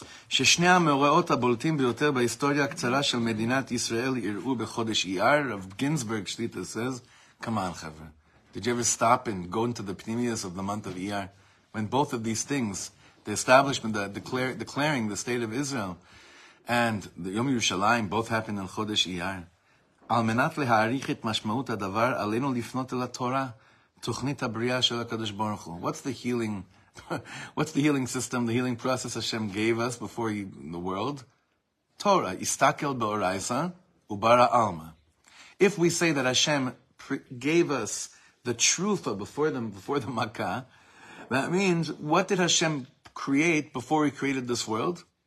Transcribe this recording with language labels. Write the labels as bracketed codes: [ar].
[he] ששני המאורעות הבולטים ביותר בהיסטוריה הקצרה של מדינת ישראל יראו בחודש אייר, רב גינסברג שליטה [en] says, come on, [he] חבר'ה. [en] Did you ever stop and go into the pnimius of the month of Iyar? When both of these things, the establishment, the declaring the state of Israel, and the Yom Yerushalayim, both happened in חודש אייר. [he] על מנת להעריך את משמעות הדבר, עלינו לפנות אל התורה, תוכנית הבריאה של הקדוש ברוך הוא. [en] What's the healing? What's the healing system, the healing process Hashem gave us before he, in the world? Torah, [he] istakel be'oraisa, ubara alma. [en] If we say that Hashem gave us the trufa before the makkah, that means, what did Hashem create before he created this world?